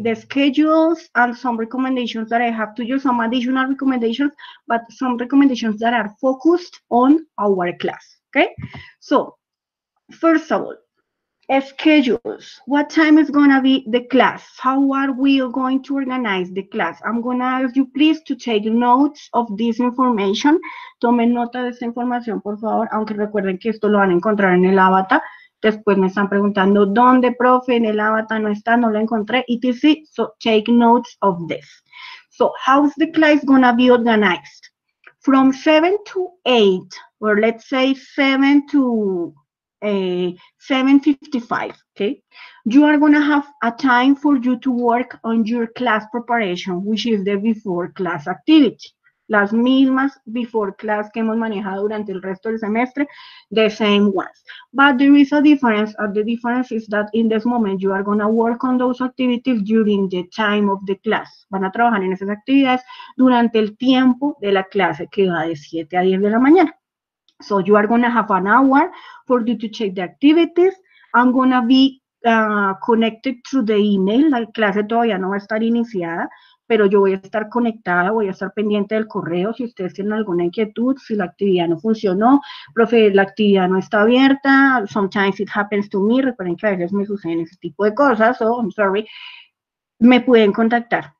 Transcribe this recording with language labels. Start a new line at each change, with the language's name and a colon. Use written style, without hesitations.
English: The schedules and some recommendations that I have to use, some additional recommendations, but some recommendations that are focused on our class, okay? So first of all, schedules. What time is gonna be the class? How are we going to organize the class? I'm gonna ask you please to take notes of this information.
Spanish: Tomen nota de esta información, por favor, aunque recuerden que esto lo van a encontrar en el avatar. Después me están preguntando, ¿dónde, profe? En el avatar no está, no lo encontré.
English: ETC, so take notes of this. So, how's the class gonna be organized? From 7 to 8, or let's say 7 to 7:55, okay? You are gonna have a time for you to work on your class preparation, which is the before class activity.
Spanish: Las mismas before class que hemos manejado durante el resto del semestre,
English: the same ones. But there is a difference, and the difference is that in this moment you are gonna work on those activities during the time of the class.
Spanish: Van a trabajar en esas actividades durante el tiempo de la clase que va de 7 a 10 de la mañana.
English: So you are gonna have an hour for you to check the activities. I'm gonna be connected through the email.
Spanish: La clase todavía no va a estar iniciada, pero yo voy a estar conectada, voy a estar pendiente del correo si ustedes tienen alguna inquietud, si la actividad no funcionó. Profe, la actividad no está abierta.
English: Sometimes it happens to me.
Spanish: Recuerden que a veces me suceden ese tipo de cosas.
English: So I'm sorry.
Spanish: Me pueden contactar.